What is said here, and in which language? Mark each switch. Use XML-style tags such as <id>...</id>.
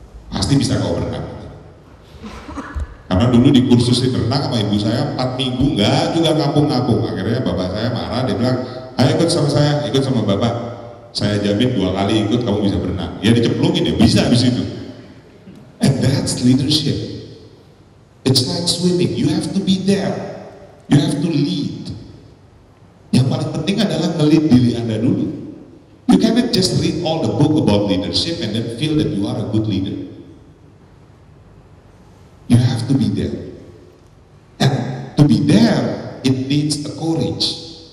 <id>Pasti bisa kau berenang. Karena dulu di kursus di berenang sama ibu saya 4 minggu gak juga ngapung-ngapung. Akhirnya bapak saya marah, dia bilang, ayo ikut sama saya, ikut sama bapak. Saya jamin 2 kali ikut kamu bisa berenang. Ya dicemplungin ya, bisa abis itu.</id> <en>And that's leadership. It's like swimming, you have to be there. You have to lead.</en> <id>Yang paling penting adalah nge-lead diri Anda dulu.</id> <en>You cannot just read all the book about leadership and then feel that you are a good leader. You have to be there. And to be there, it needs a courage.</en>